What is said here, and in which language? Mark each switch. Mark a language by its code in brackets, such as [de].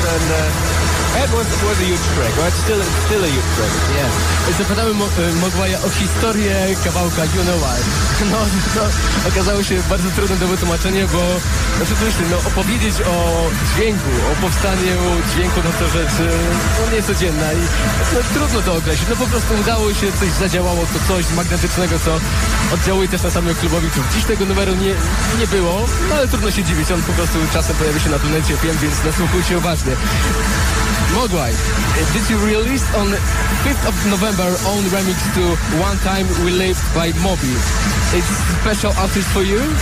[en] And it was a huge track, but still a huge track. Yeah. [pl] Zapytałem Mogwaja o historię kawałka You Know Why. No, to okazało się bardzo trudne do wytłumaczenia, bo no, przecież, no, opowiedzieć o dźwięku, o powstaniu dźwięku, no to rzecz niecodzienna i no, trudno to określić. No po prostu udało się, coś zadziałało, to coś magnetycznego, co oddziałuje też na samym klubowiczu. Dziś tego numeru nie było, no, ale trudno się dziwić, on po prostu czasem pojawi się na tunecie, wiem, więc nasłuchujcie uważnie. [en] Mogwai, did you release on 5th of November own remix to One Time We Lived by Moby? It's a special artist for you?